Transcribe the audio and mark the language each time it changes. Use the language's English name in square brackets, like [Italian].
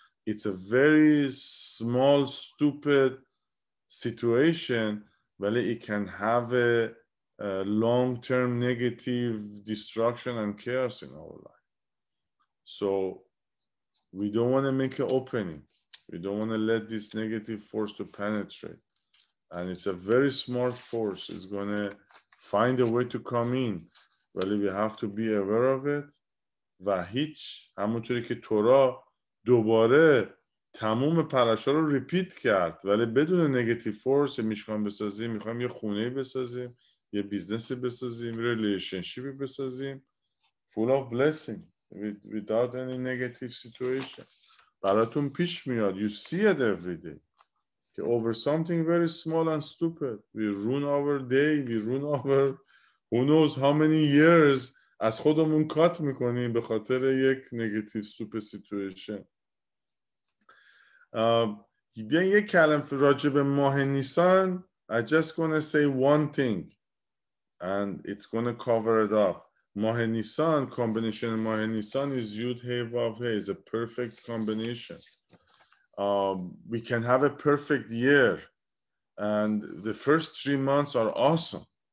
[English] It's a very small, stupid situation, but it can have a long-term negative destruction and chaos in our life. So we don't want to make an opening. We don't want to let this negative force to penetrate. And it's a very smart force. It's going to find a way to come in. Well, we have to be aware of it. [Persian] و هیچ همونطوری که تورا دوباره تموم پرشا رو ریپیت کرد، ولی بدون نگتیف فورس میخوام بسازیم، میخوام یه خونه بسازیم، یه بیزنس بسازیم، ریلیشنشیپ بسازیم، فول آف بلسینگ without any negative situation. [English] براتون پیش میاد. You see it every day. Okay, over something very small and stupid. We ruin our day. We ruin our who knows how many years از خودمون cut میکنیم به خاطر یک negative stupid situation. [Persian] بیاین یک کلم راجب ماه نیسان. [English] I just gonna say one thing and it's gonna cover it up. [Persian] ماه نیسان، combination ماه نیسان is یود هی واف هی، is a perfect combination. [English] We can have a perfect year and the first 3 months are awesome.